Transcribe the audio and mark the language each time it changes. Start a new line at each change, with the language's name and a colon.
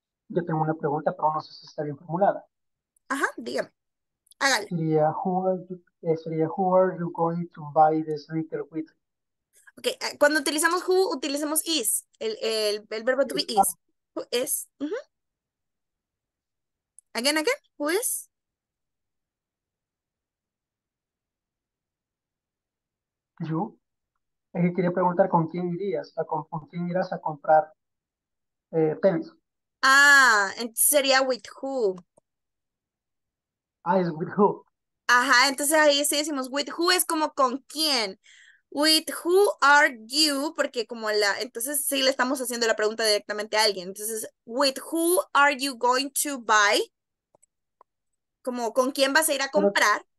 Spanish: Yo tengo una pregunta, pero no sé si está bien formulada. Ajá, dígame. Hágale.
English: Sería, who are you going to buy the sneaker with?
Spanish: Ok, cuando utilizamos who, utilizamos is. El verbo to be is.
English: Who is?
Spanish: Uh-huh.
English: Again, who is?
Spanish: Yo. Es que quería preguntar con quién irías, con quién irás a comprar tenis. Ah, entonces sería with who. Ah, es
English: with who.
Spanish: Ajá, entonces ahí sí decimos
English: with who
Spanish: es como con quién.
English: With who are you,
Spanish: porque como la, entonces sí le estamos haciendo la pregunta directamente a alguien.
English: Entonces, with who are you going to buy?
Spanish: Como con quién vas a ir a comprar.